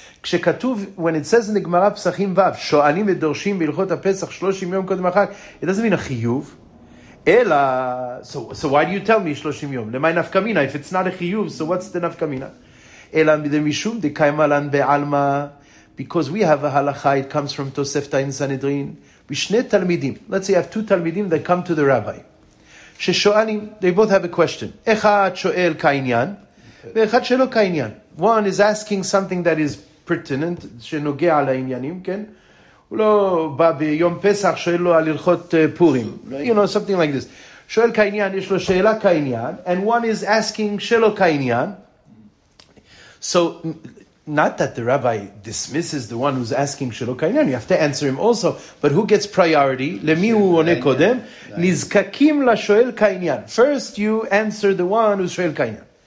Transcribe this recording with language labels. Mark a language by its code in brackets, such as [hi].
[he] כשכתוב, [en] when it says in the Gemara [he] פסחים וב, שואלים ודורשים בהלכות הפסח 30 יום קודם אחר, [en] it doesn't mean a [he] חיוב, אלא, [en] so why do you tell me 30 [he] יום? למה נפקמינה? [en] If it's not a חיוב, so what's the נפקמינה? [he] אלא משום דקיימה לן בעלמה, [en] because we have a הלכה, it comes from תוספתא in Sanhedrin, [he] בשני תלמידים, [en] let's say you have two תלמידים that come to the rabbi, [he] ששואלים, [en] they both have a question. [he] אחד שואל כעניין, ואחד שלא כעניין. [en] One is asking something that is pertinent, [he] שנוגע לעניינים, כן? הוא לא בא ביום פסח, שואל לו על הלכות פורים. [en] You know, something like this. [he] שואל כעניין, יש לו שאלה כעניין, [en] and one is asking [he] שלא כעניין. [en] So, not that the rabbi dismisses the one who's asking [he] שלא כעניין, [en] you have to answer him also, but who gets priority? [he] למי הוא עונה קודם? נזקקים לשואל כעניין. [en] First you answer the one who's שואל כעניין.